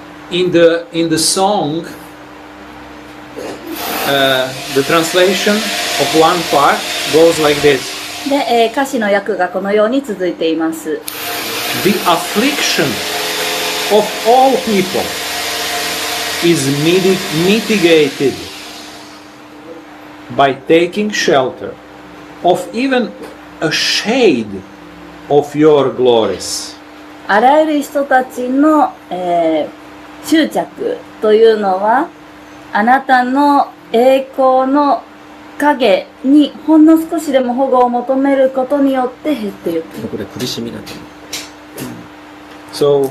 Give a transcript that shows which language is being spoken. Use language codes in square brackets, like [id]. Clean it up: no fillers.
[en] In the song, the translation of one part goes like this. [ja] で、歌詞の訳がこのように続いています。 [en] The affliction of all people is mitigated by taking shelter of even a shade of your glories. [ja] あらゆる人たちの、執着というのはあなたの栄光の影にほんの少しでも保護を求めることによって減っていく。これ苦しみだと思う。